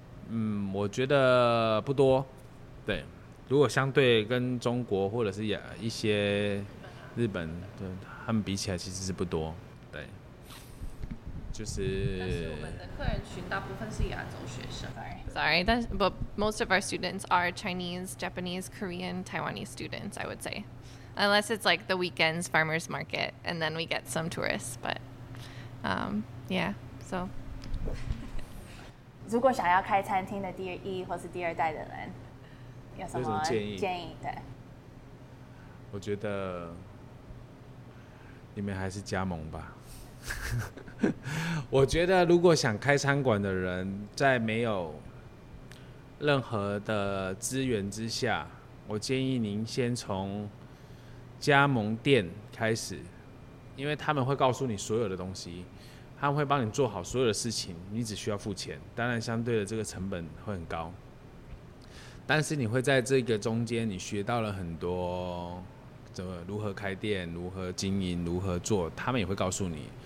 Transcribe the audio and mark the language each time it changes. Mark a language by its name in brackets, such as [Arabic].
[Chinese] 嗯，我觉得不多。对，如果相对跟中国或者是一些日本，对他们比起来其实是不多。对，就是但是我们的客人群大部分是亚洲学生。 [English] Sorry, that's, but most of our students are Chinese, Japanese, Korean, Taiwanese students, I would say. Unless it's like the weekends farmers market, and then we get some tourists, but yeah, so. [Chinese] 如果想要开餐厅的第一或是第二代的人，有什么建议？对，我觉得你们还是加盟吧。我觉得如果想开餐馆的人，在没有任何的资源之下，我建议您先从加盟店开始，因为他们会告诉你所有的东西，他们会帮你做好所有的事情，你只需要付钱，当然相对的这个成本会很高，但是你会在这个中间你学到了很多怎么如何开店，如何经营，如何做，他们也会告诉你。